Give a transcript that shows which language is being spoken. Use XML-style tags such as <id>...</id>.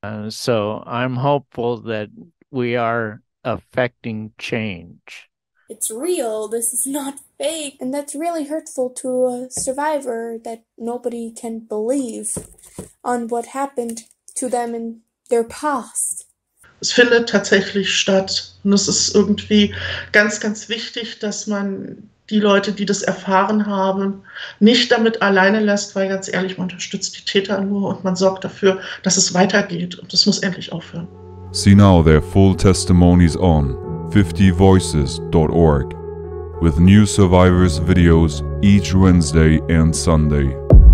<en>So I'm hopeful that we are affecting change. It's real. This is not fake. And that's really hurtful to a survivor that nobody can believe on what happened to them in their past.</en> <de>Es findet tatsächlich statt. Und es ist irgendwie ganz, ganz wichtig, dass man die Leute, die das erfahren haben, nicht damit alleine lässt, weil ganz ehrlich, man unterstützt die Täter nur und man sorgt dafür, dass es weitergeht und es muss endlich aufhören.</de> <en>See now their full testimonies on 50voices.org with new survivors videos each Wednesday and Sunday.</en>